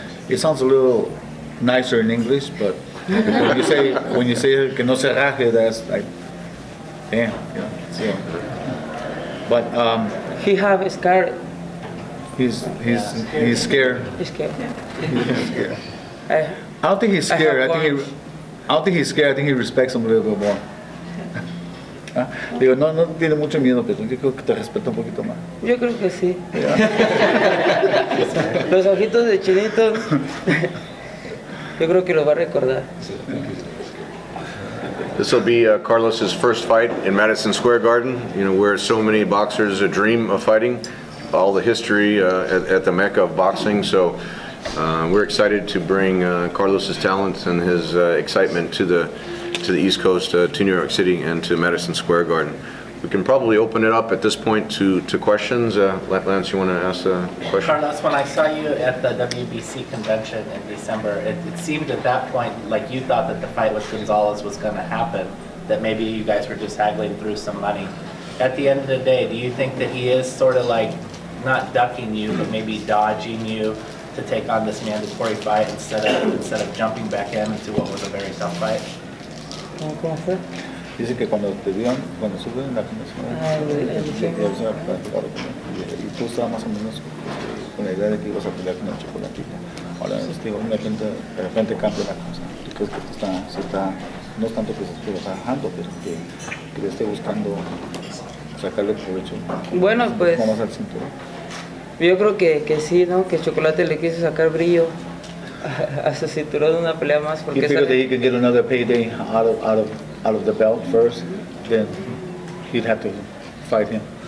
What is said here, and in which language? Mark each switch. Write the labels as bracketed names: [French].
[English] It sounds a little nicer in English, but when you say [Spanish] que no se raje, [English] that's like, damn. Yeah. So, but he have a scar. He's scared. He's scared. Yeah. I don't think he's scared. I think he respects him a little bit more. [Spanish] Digo, no tiene mucho miedo, pero yo creo que te respeta un poquito más. Yo creo que sí. Los ojitos de chinito, yo creo que lo va a recordar. [English] This will be Carlos's first fight in Madison Square Garden, you know, where so many boxers dream of fighting, all the history at the Mecca of boxing. So we're excited to bring Carlos's talents and his excitement to the East Coast, to New York City, and to Madison Square Garden. We can probably open it up at this point to questions. Lance, you want to ask a question? Carlos, when I saw you at the WBC convention in December, it seemed at that point like you thought that the fight with Gonzalez was going to happen, that maybe you guys were just haggling through some money. At the end of the day, do you think that he is sort of like not ducking you, but maybe dodging you to take on this mandatory fight instead of jumping back into what was a very tough fight? [Spanish] Dice que cuando te dieron, cuando suben en la convención, y tú estabas más o menos con la idea de que ibas a pelear con el chocolatito. Ahora, de repente cambia la cosa. Tú crees que está, no es tanto que se esté bajando, pero que esté buscando sacarle provecho. Bueno, pues. ¿Cómo vas al cinturón? Yo creo que sí, ¿no? Que el chocolate le quiso sacar brillo a su cinturón de una pelea más. [English] Porque you figured that he could get another payday out of the belt first, then he'd have to fight him.